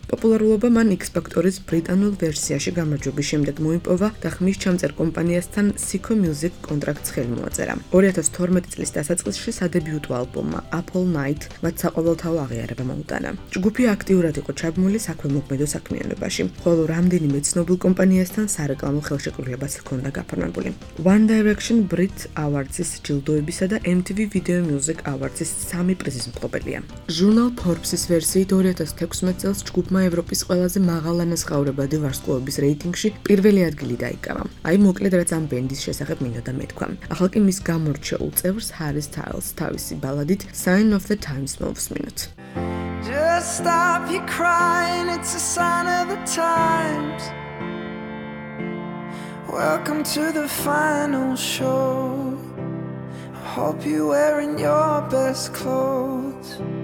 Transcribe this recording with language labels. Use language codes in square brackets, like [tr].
[ka] პოპულარულობა მან X-Factor-ის ბრიტანულ ვერსიაში გამარჯვების შემდეგ მოიპოვა და ხმის ჩამწერ კომპანიასთან Syco Music კონტრაქტს ხელი მოაწერა. 2012 წლის დასაწყისში სადებიუტო ალბომმა Apple Night მათ საყოველთაო აღიარება მოუტანა. ჯგუფი აქტიურად იყო ჩაბმული საქველმოქმედო საქმიანობაში, ხოლო რამდენიმე ცნობილ კომპანიასთან სარეკლამო ხელშეკრულებას ჰქონდა გაფორმებული. One Direction Brit Awards-ის ჯილდოებისა და MTV Video Music Awards-ის სამი პრიზის მფლობელია. ჟურნალ Forbes-ის ვერსიით 2016 წელს ჯგუფმა ევროპის ყველაზე მაღალ ანასხაურებადი ვარსკვლავების რეიტინგში პირველი ადგილი დაიკავა. აი მოკლედ რაც ამ ბენდის შესახებ მინოდა მეთქვა. ახლა კი მის გამორჩეულ წევრს Harry Styles თავისი ბალადით Sign of the Times მოვსმინოთ. [en] Just stop you crying, it's a sign of the times. Welcome to the final show. Hope you're wearing your best clothes.